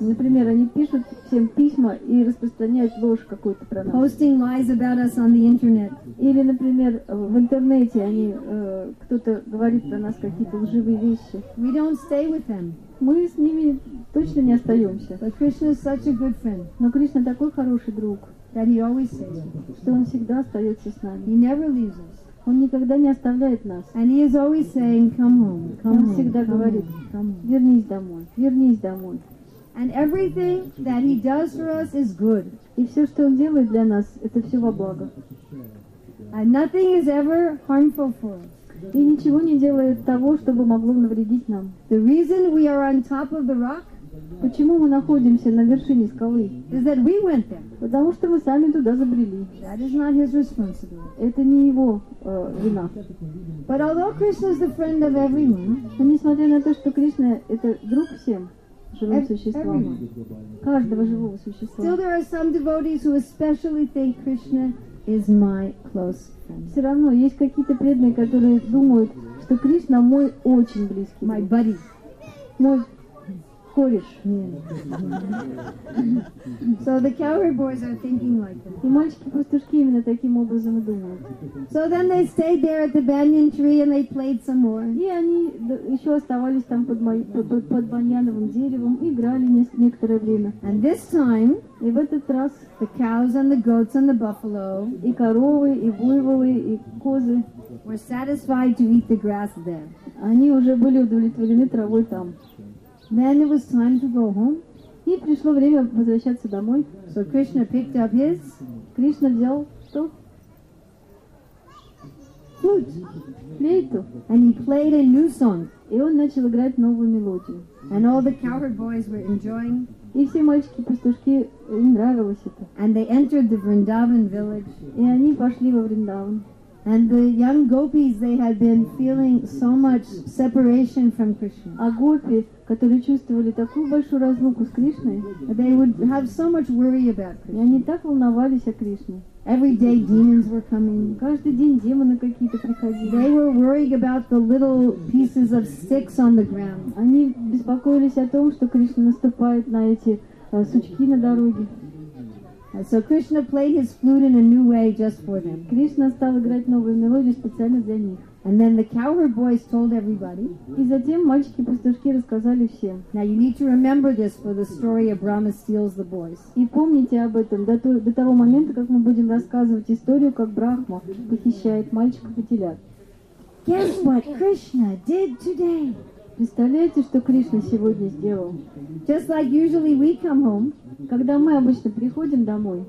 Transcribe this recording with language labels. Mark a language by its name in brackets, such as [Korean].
[Russian] Например, они пишут всем письма и распространяют ложь какую-то про нас. [English] Posting lies about us on the internet. [Russian] Или, например, в интернете они кто-то говорит про нас какие-то лживые вещи. [English] We don't stay with them. [Russian] Мы с ними точно не остаемся. [English] But Krishna is such a good friend. [Russian] Но Кришна такой хороший друг, [English] that he always stays. [Russian] Что он всегда остается с нами. [English] He never leaves us. [Russian] Он никогда не оставляет нас. [English] And he is always saying, come home, come [Russian] он всегда [English] home, [Russian] говорит, [English] come home, come home. [Russian] Вернись домой, вернись домой. [English] And everything that he does for us is good. [Russian] И все, что он делает для нас, это все во благо. [English] And nothing is ever harmful for us. [Russian] И ничего не делает того, чтобы могло навредить нам. [English] The reason we are on top of the rock, [Russian] почему мы находимся на вершине скалы? [English] Is that we went there. [Russian] Потому что мы сами туда забрели. [English] That is not his responsibility. [Russian] Это не его вина. [English] But although Krishna is the friend of everyone, [Russian] но несмотря на то, что Кришна — это друг всем живым существам, каждого живого существа, [English] still there are some devotees who especially think Krishna is my close friend. [Russian] Все равно есть какие-то преданные, которые думают, что Кришна — мой очень близкий [English] my buddy. [Russian] Мой кореш. [English] So the cowherd boys are thinking like that. [Russian] И мальчики-пастушки именно таким образом думают. [English] So then they stayed there at the banyan tree and they played some more. [Russian] И они еще оставались там под баньяновым деревом, играли некоторое время. [English] And this time, [Russian] и в этот раз, [English] the cows and the goats and the buffalo, [Russian] и коровы, и буйволы, и козы, [English] were satisfied to eat the grass there. [Russian] Они уже были удовлетворены травой там. [English] Then it was time to go home. [Russian] И пришло время возвращаться домой. [English] So Krishna picked up his. [Russian] Кришна взял что? Флейту. [English] And he played a new song. [Russian] И он начал играть новую мелодию. [English] And all the cowherd boys were enjoying. [Russian] И все мальчики-пастушки им нравилось это. [English] And they entered the Vrindavan village. [Russian] И они пошли во Вриндаван. [English] And the young gopis, they had been feeling so much separation from Krishna. [Russian] А гопи, которые чувствовали такую большую разлуку с Кришной, [English] they would have so much worry about Krishna. [Russian] И они так волновались о Кришне. [English] Every day demons were coming. [Russian] Каждый день демоны какие-то приходили. [English] They were worried about the little pieces of sticks on the ground. [Russian] Они беспокоились о том, что Кришна наступает на эти сучки на дороге. [English] So Krishna played his flute in a new way just for them. [Russian] Кришна стал играть новую мелодию специально для них. [English] And then the cowherd boys told everybody. [Russian] И затем мальчики-пастушки рассказали всем. [English] Now you need to remember this for the story of Brahma steals the boys. [Russian] И помните об этом до того момента, как мы будем рассказывать историю, как Брахма похищает мальчиков и телят. [English] Guess what Krishna did today? [Russian] Представляете, что Кришна сегодня сделал? [English] Just like usually we come home. [Russian] Когда мы обычно приходим домой.